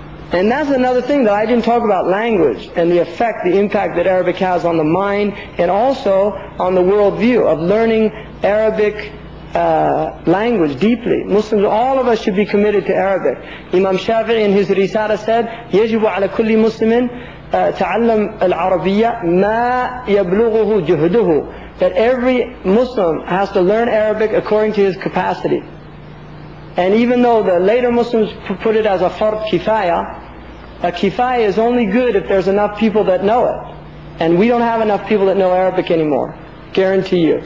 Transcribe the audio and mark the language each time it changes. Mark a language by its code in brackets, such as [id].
[en] And that's another thing that I didn't talk about, language and the effect, the impact that Arabic has on the mind and also on the world view of learning Arabic language deeply. Muslims, all of us should be committed to Arabic. Imam Shafi'i in his Risala said, [ar] يجب على كل مسلم تعلم العربية ما يبلغه جهده. [en] That every Muslim has to learn Arabic according to his capacity. And even though the later Muslims put it as a fard kifaya, a kifaya is only good if there's enough people that know it. And we don't have enough people that know Arabic anymore. Guarantee you.